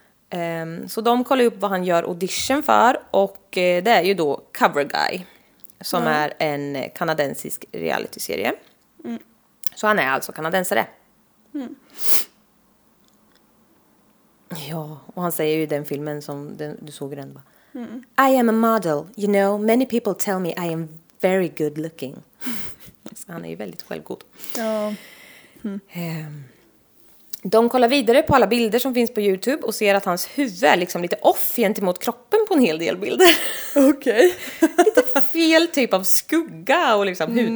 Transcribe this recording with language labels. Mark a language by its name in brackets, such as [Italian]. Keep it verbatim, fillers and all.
[Swedish] Eh, så de kollar upp vad han gör audition för och eh, det är ju då Cover Guy. Som mm. är en kanadensisk realityserie. Mm. Så han är alltså kanadensare. Mm. Ja, och han säger ju i den filmen som den, du såg den. Bara, mm. [English] I am a model, you know. Many people tell me I am very good looking. [Swedish] Så han är ju väldigt självgod. Ja. Mm. Ehm. De kollar vidare på alla bilder som finns på YouTube och ser att hans huvud är liksom lite off gentemot kroppen på en hel del bilder. Okej. Okay. Lite fel typ av skugga och liksom hudton